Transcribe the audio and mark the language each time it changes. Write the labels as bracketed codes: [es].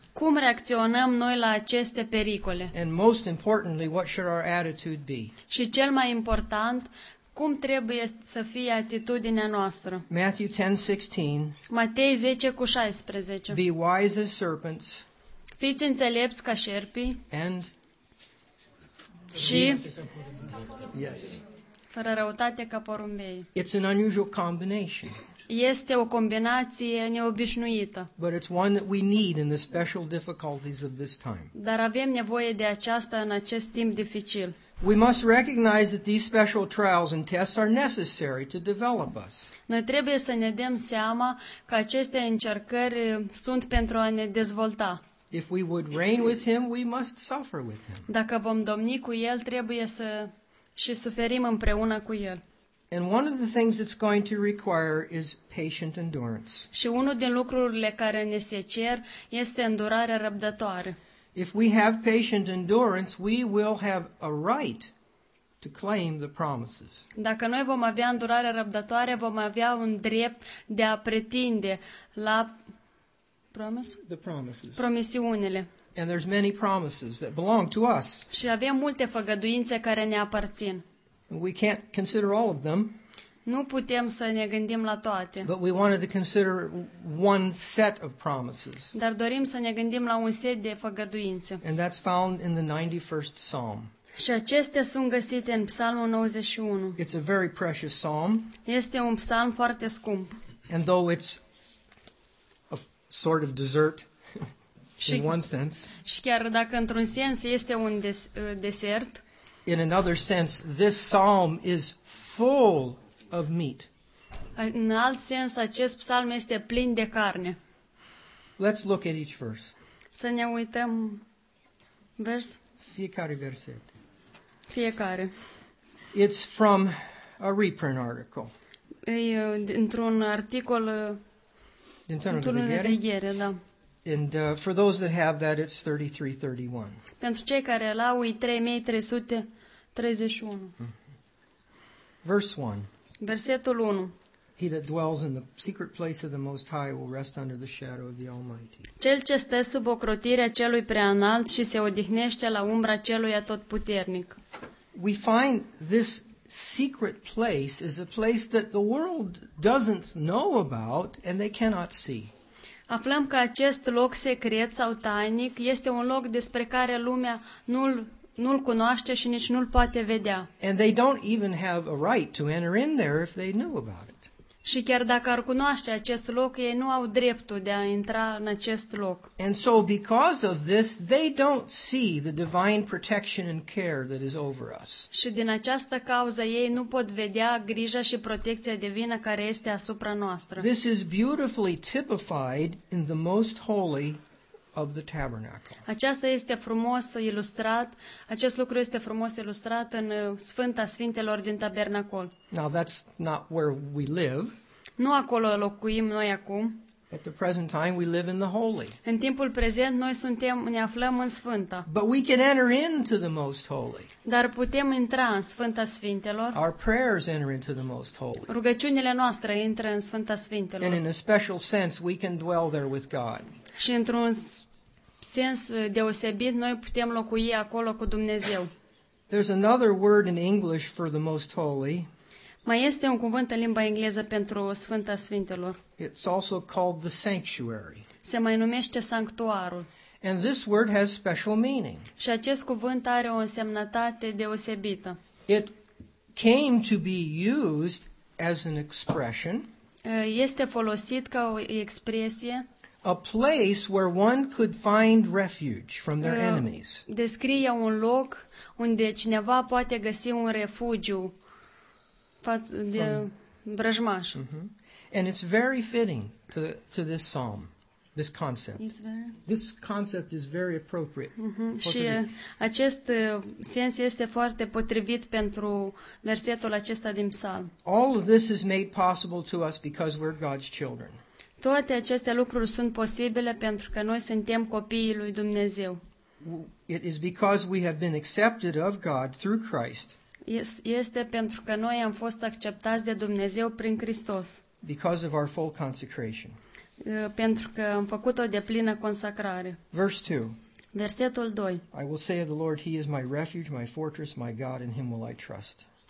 [ro] Cum reacționăm noi la aceste pericole? [en] And most importantly, what should our attitude be? [ro] Și cel mai important, cum trebuie să fie atitudinea noastră? [en] Matthew 10:16. [ro] Matei 10:16. [en] Be wise as serpents. [ro] Fiți înțelepți ca șerpi. [en] And [ro] și [en] yes. [ro] Fără răutate ca porumbei. [en] It's an unusual combination. [ro] Este o combinație neobișnuită. [en] But it's one that we need in the special difficulties of this time. [ro] Dar avem nevoie de aceasta în acest timp dificil. [en] We must recognize that these special trials and tests are necessary to develop us. [ro] Noi trebuie să ne dăm seama că aceste încercări sunt pentru a ne dezvolta. [en] If we would reign with him, we must suffer with him. [ro] Dacă vom domni cu el, trebuie să și suferim împreună cu el. [en] And one of the things it's going to require is patient endurance. [ro] Și unul din lucrurile care ne se cer este îndurarea răbdătoare. [en] If we have patient endurance, we will have a right to claim the promises. [ro] Dacă noi vom avea îndurare răbdătoare, vom avea un drept de a pretinde la [en] The promises. [ro] Promisiunile. [en] And there's many promises that belong to us. [ro] Și avem multe făgăduințe care ne aparțin. [en] We can't consider all of them. [ro] Nu putem să ne gândim la toate. [en] But we wanted to consider one set of promises. [ro] Dar dorim să ne gândim la un set de făgăduințe. [en] And that's found in the 91st Psalm. [ro] Și acestea sunt găsite în Psalmul 91. [en] It's a very precious psalm. [ro] Este un psalm foarte scump. [en] And though it's sort of dessert in one sense. [ro] Și chiar dacă într-un sens este un desert, [en] in another sense this psalm is full of meat. [ro] În alt sens acest psalm este plin de carne. [en] Let's look at each verse. [ro] Să ne uităm vers. Fiecare verset. Fiecare. [en] It's from a reprint article. [ro] E într-un articol [en] And for those that have that, it's 33:31. [ro] Pentru cei care îl au, e 3331. [en] Verse 1. [ro] Versetul 1. [en] He that dwells in the secret place of the Most High will rest under the shadow of the Almighty. [ro] Cel ce stă sub ocrotirea celui preanalt și se odihnește la umbra celui atotputernic. [en] We find this secret place is a place that the world doesn't know about and they cannot see. [ro] Aflăm că acest loc secret sau tainic este un loc despre care lumea nu-l cunoaște și nici nu-l poate vedea. [en] And they don't even have a right to enter in there if they knew about it. [ro] Și chiar dacă ar cunoaște acest loc, ei nu au dreptul de a intra în acest loc. [en] And so because of this, they don't see the divine protection and care that is over us. [ro] Și din această cauză, ei nu pot vedea grija și protecția divină care este asupra noastră. [en] This is beautifully typified in the most holy of the tabernacle. [ro] Aceasta este frumos ilustrat, acest lucru este frumos ilustrat în Sfânta Sfintelor din tabernacol. [en] Now that's not where we live. [ro] Nu acolo locuim noi acum. [en] At the present time we live in the holy. [ro] În timpul prezent noi suntem, ne aflăm în Sfânta. [en] But we can enter into the most holy. [ro] Dar putem intra în Sfânta Sfintelor. [en] Our prayers enter into the most holy. [ro] Rugăciunile noastre intră în Sfânta Sfintelor. [en] And in a special sense we can dwell there with God. [ro] Și într-un sens deosebit noi putem locui acolo cu Dumnezeu. [en] There's another word in English for the most holy. [ro] Mai este un cuvânt în limba engleză pentru Sfânta Sfintelor. [en] It's also called the sanctuary. [ro] Se mai numește sanctuarul. [en] And this word has special meaning. [ro] Și acest cuvânt are o însemnătate deosebită. [en] It came to be used as an expression. [ro] Este folosit ca o expresie. [en] A place where one could find refuge from their enemies. [ro] Descrie un loc unde cineva poate găsi un refugiu față de vrăjmaș. [en] And it's very fitting to this psalm, this concept. This concept is very appropriate. [ro] Și acest sens este foarte potrivit pentru versetul acesta din psalm. [en] All of this is made possible to us because we're God's children. [ro] Toate aceste lucruri sunt posibile pentru că noi suntem copiii lui Dumnezeu. [en] It is because we have been accepted of God through Christ. [ro] Este pentru că noi am fost acceptați de Dumnezeu prin Hristos. [en] Because of our full consecration. [ro] Pentru că am făcut o deplină consacrare. [en] Verse 2. [ro] Versetul 2. [en] I will say of the Lord, He is my refuge, my fortress, my God, in Him will I trust.